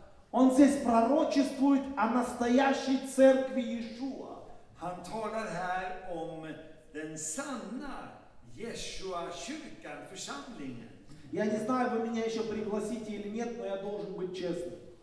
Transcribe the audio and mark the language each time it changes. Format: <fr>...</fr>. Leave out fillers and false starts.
<ru>Он здесь пророчествует о настоящей церкви Иешуа.</ru> <sv>Han talar här om den sanna Yeshua kyrkan, församlingen.</sv> <ru>Я не знаю, вы меня еще пригласите или нет, но я должен быть честным.</ru>